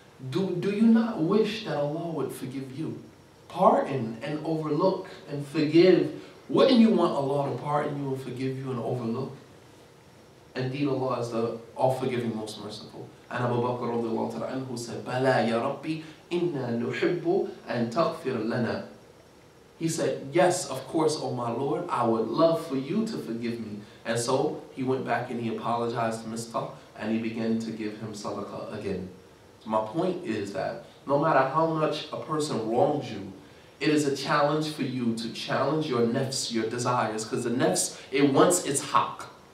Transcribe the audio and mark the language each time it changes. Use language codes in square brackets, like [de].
[en] Do you not wish that Allah would forgive you? Pardon and overlook and forgive. Wouldn't you want Allah to pardon you and forgive you and overlook? Indeed, Allah is the all-forgiving, most merciful. [ar] And Abu Bakr radiallahu ta'ala anhu said, بَلَا يَا رَبِّ إِنَّا نُحِبُّ أَن تَغْفِرَ لَنَا. [en] He said, yes, of course, O my Lord, I would love for you to forgive me. And so he went back and he apologized to Mistah and he began to give him sadaqah again. My point is that no matter how much a person wrongs you, it is a challenge for you to challenge your nafs, your desires, because the nafs, it wants its haq.